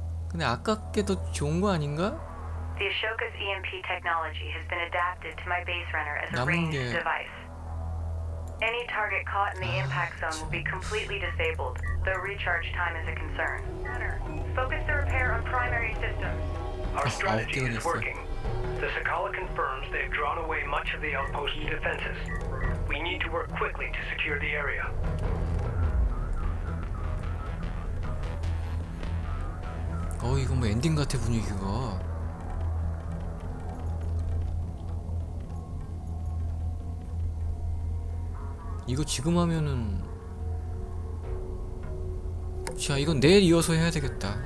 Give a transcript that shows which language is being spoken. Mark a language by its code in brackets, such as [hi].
[ko] 근데 아깝게도 좋은 거 아닌가? [en] The Ashoka's EMP technology has been adapted to my base runner as a ranged device. Any target caught in the impact zone will be completely disabled, though recharge time is a concern. Focus the repair on primary systems. Our strategy is working. The Sakala confirms they've drawn away much of the outpost's defenses. We need to work quickly to secure the area. [ko] 어, 이거 뭐 엔딩 같아 분위기가. 이거 지금 하면은, 자, 이건 내일 이어서 해야 되겠다.